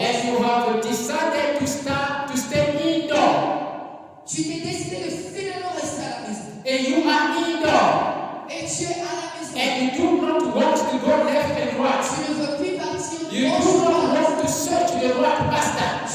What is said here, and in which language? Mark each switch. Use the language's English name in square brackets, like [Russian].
[English] And you have decided to start to stay indoor. [French] Tu t'es décidé de finir à la maison. [English] And you are indoor. [French] Et tu es à la maison. [English] And you do not want to go left and right. [French] Tu ne veux plus partir. [English] You do not want to search the right pastor.